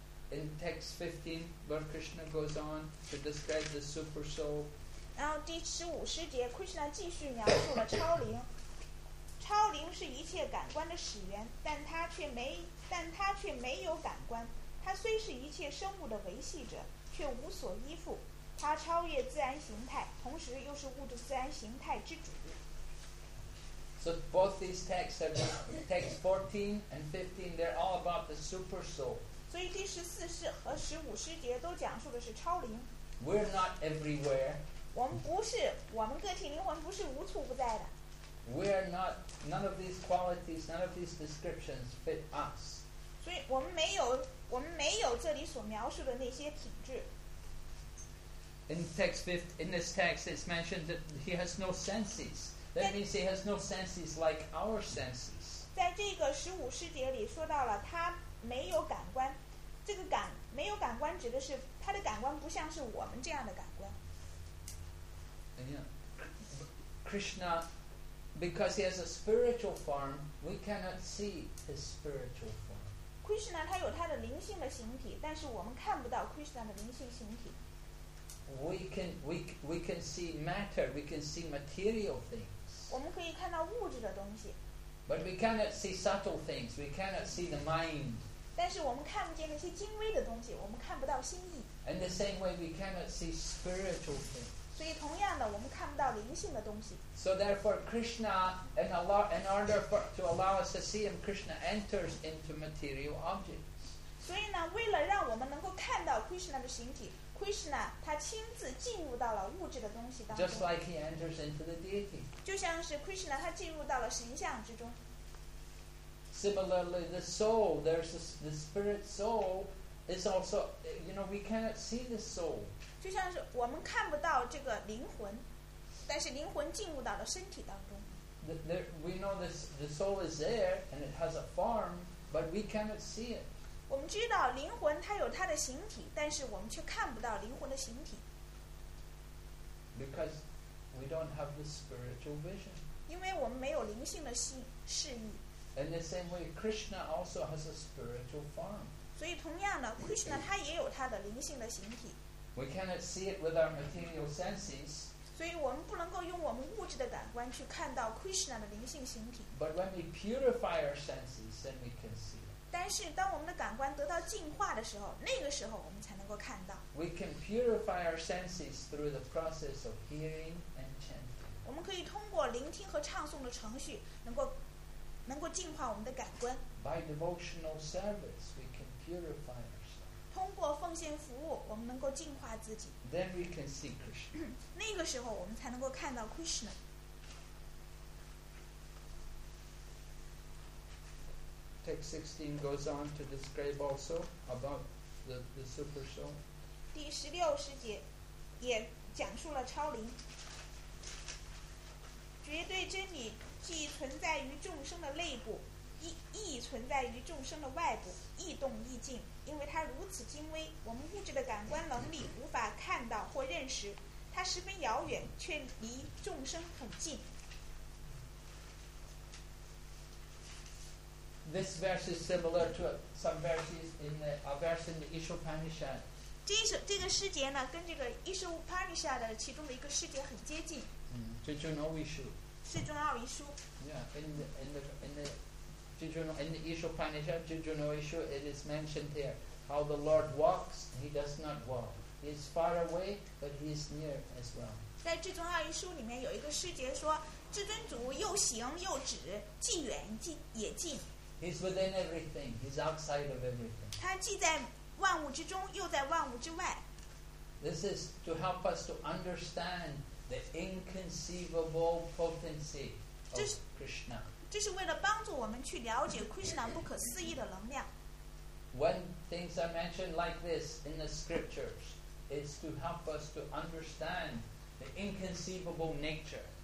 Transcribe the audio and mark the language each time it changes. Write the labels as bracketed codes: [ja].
[en] In text 15, where Krishna goes on to describe the super soul. [zh] 然后第15:10 Krishna 继续描述了超灵。超灵是一切感官的始源，但它却没有感官。它虽是一切生物的维系者，却无所依附。它超越自然形态，同时又是物质自然形态之主。 [en] So both these texts, texts 14 and 15, they're all about the super soul. [zh] 所以第14和15:10都讲述的是超灵。 [en] We're not everywhere. [zh] 我们个体灵魂不是无处不在的。 [en] We are not. None of these qualities, none of these descriptions fit us. [zh] 所以我们没有这里所描述的那些品质。 [en] In this text, it's mentioned that he has no senses. That means he has no senses like our senses. [zh] 在这个十五师节里说到了他没有感官，这个感没有感官指的是他的感官不像是我们这样的感官。 [en] Krishna. Because he has a spiritual form, we cannot see his spiritual form. [zh] Krishna, 他有他的灵性的形体，但是我们看不到 Krishna 的灵性形体。 [en] We can see matter, we can see material things. [zh] 我们可以看到物质的东西。 [en] But we cannot see subtle things. We cannot see the mind. [zh] 但是我们看不见那些精微的东西，我们看不到心意。 [en] And the same way we cannot see spiritual things. [zh] 所以同样的，我们看不到灵性的东西。 [en] So therefore, Krishna and Allah, in order for, to allow us to see Him, Krishna enters into material objects. [zh] 所以呢，为了让我们能够看到 Krishna 的形体。Krishna 他亲自进入到了物质的东西当中。 [en] Just like he enters into the deity. [zh] 就像是 Krishna 他进入到了神像之中。 [en] Similarly, the soul, there's the spirit soul, is also, you know, we cannot see the soul. [zh] 就像是我们看不到这个灵魂，但是灵魂进入到了身体当中。 [en] We know this, the soul is there and it has a form, but we cannot see it. [zh] 我们知道灵魂它有它的形体，但是我们却看不到灵魂的形体。 [en] Because we don't have the spiritual vision. [zh] 因为我们没有灵性的视野。 [en] In the same way, Krishna also has a spiritual form. [zh] 所以同样的 ，Krishna 他也有他的灵性的形体。 [en] We cannot see it with our material senses. [zh] 所以我们不能够用我们物质的感官去看到 Krishna 的灵性形体。 [en] But when we purify our senses, then we can see. [zh] 但是当我们的感官得到净化的时候，那个时候我们才能够看到。 [en] We can purify our senses through the process of hearing and chanting. [zh] 我们可以通过聆听和唱诵的程序能够净化我们的感官。 [en] By devotional service, we can purify ourselves. [zh] 通过奉献服务我们能够净化自己。 [en] Then we can see Krishna. [zh] 那个时候我们才能够看到 Krishna. [en] Text 16 goes on to describe also about the super soul. [zh] 第十六十节也讲述了超灵。绝对真理既存在于众生的内部，亦存在于众生的外部，亦动亦静，因为它如此精微，我们物质的感官能力无法看到或认识。它十分遥远，却离众生很近。 [en] This verse is similar to some verses in the, a verse in the Ishopanishad. [zh] 这个诗节呢，跟这个 Ishopanishad 的其中的一个诗节很接近。嗯，这就是《奥义书》。是《中奥义书》。 [en] Yeah, in the [zh] 这就是 [en] in the Ishopanishad, [zh] 这就是《奥义书》。 [en] It is mentioned there how the Lord walks, He does not walk. He is far away, but He is near as well. [zh] 在《至尊奥义书》里面有一个诗节说，至尊主又行又止，既远也近。 [en] He's within everything. He's outside of everything. [zh] 他既在万物之中，又在万物之外。 [en] This is to help us to understand the inconceivable potency of Krishna. [zh] 这是为了帮助我们去了解 Krishna 不可思议的能量。 [en] When things are mentioned like this in the scriptures, it's to help us to understand the inconceivable nature.